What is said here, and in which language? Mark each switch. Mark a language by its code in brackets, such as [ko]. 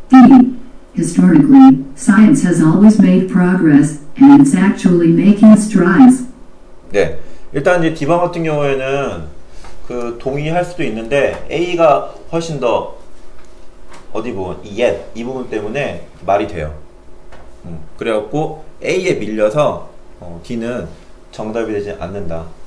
[en] D. Historically, science has always made progress and it's actually making strides. [ko] 네. 일단 이제 디바 같은 경우에는 그 동의할 수도 있는데 A가 훨씬 더 어디 부분? Yet 이 부분 때문에 말이 돼요. 그래갖고 A에 밀려서 D는 정답이 되지 않는다.